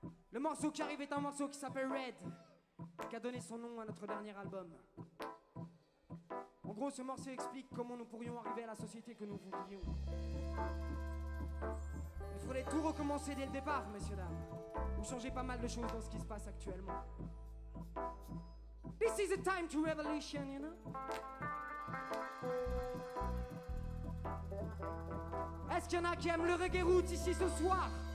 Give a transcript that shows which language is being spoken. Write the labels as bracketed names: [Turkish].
[French] Le morceau qui arrive est un morceau qui s'appelle Red, qui a donné son nom à notre dernier album. En gros, ce morceau explique comment nous pourrions arriver à la société que nous voulions. Il faudrait tout recommencer dès le départ, messieurs, dames. Vous changez pas mal de choses dans ce qui se passe actuellement. [English] This is a time to revolution, you know? [French] Est-ce qu'il y en a qui aiment le reggae roots ici ce soir?